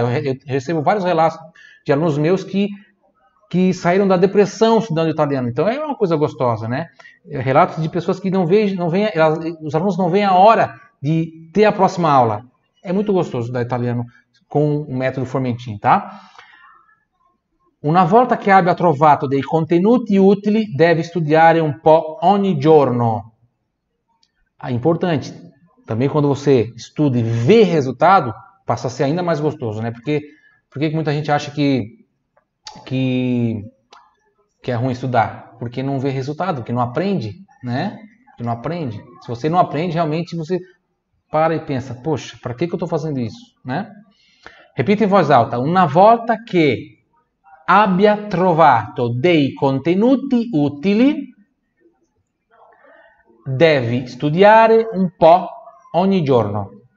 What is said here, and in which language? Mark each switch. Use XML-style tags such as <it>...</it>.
<pt>Eu recebo vários relatos de alunos meus que saíram da depressão estudando italiano. Então é uma coisa gostosa, né? Relatos de pessoas que os alunos não veem a hora de ter a próxima aula. É muito gostoso estudar italiano com o método Formentin, tá?</pt> <it>Una volta che abbia trovato dei contenuti utili, deve studiare un po' ogni giorno.</it> <pt>É importante. Também quando você estuda e vê resultado, passa a ser ainda mais gostoso, né? Porque muita gente acha que é ruim estudar, porque não vê resultado, porque não aprende, né? Porque não aprende. Se você não aprende, realmente você para e pensa, poxa, para que eu estou fazendo isso, né? Repita em voz alta,</pt> <it>una volta che abbia trovato dei contenuti utili, deve studiare un po' ogni giorno.</it>